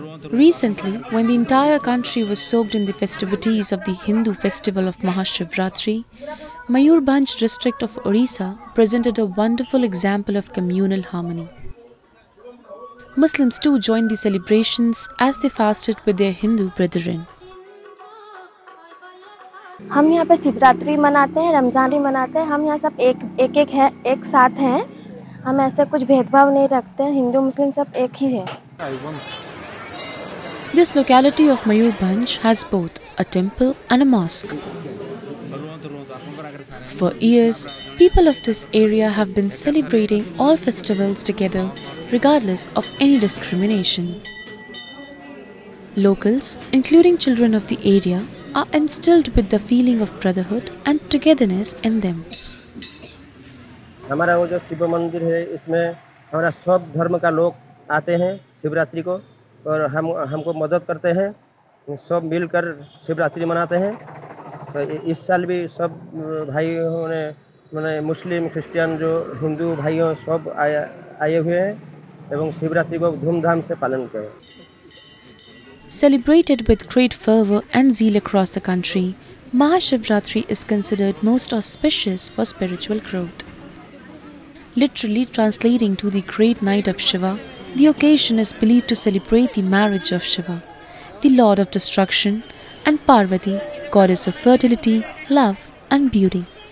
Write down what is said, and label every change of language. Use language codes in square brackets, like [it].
[en] Recently, when the entire country was soaked in the festivities of the Hindu festival of Mahashivratri, Mayurbhanj district of Orissa presented a wonderful example of communal harmony. Muslims too joined the celebrations as they fasted with their Hindu brethren. [hi] हम यहाँ पे शिवरात्रि मनाते हैं, रमजान भी मनाते हैं। हम यहाँ सब एक-एक हैं, एक साथ हैं। हम ऐसे कुछ भेदभाव नहीं रखते हैं। हिंदू मुस्लिम सब एक ही हैं। [en] This locality of Mayurbhanj has both a temple and a mosque. For years, people of this area have been celebrating all festivals together, regardless of any discrimination. Locals, including children of the area, are instilled with the feeling of brotherhood and togetherness in them. [hi] हमारा वो जो शिव मंदिर है, इसमें हमारा सब धर्म का लोग आते हैं शिवरात्रि को और हमको मदद करते हैं, सब मिलकर शिवरात्रि मनाते हैं। इस साल भी सब भाइयों ने मैंने मुस्लिम क्रिश्चियन जो हिंदू भाइयों सब आए हुए हैं एवं शिवरात्रि को धूमधाम से पालन करें। [en] Celebrated with great fervor and zeal across the country, Mahashivratri is considered most auspicious for spiritual growth. Literally translating to the great night of Shiva, the occasion is believed to celebrate the marriage of Shiva, the lord of destruction, and Parvati, goddess of fertility, love and beauty.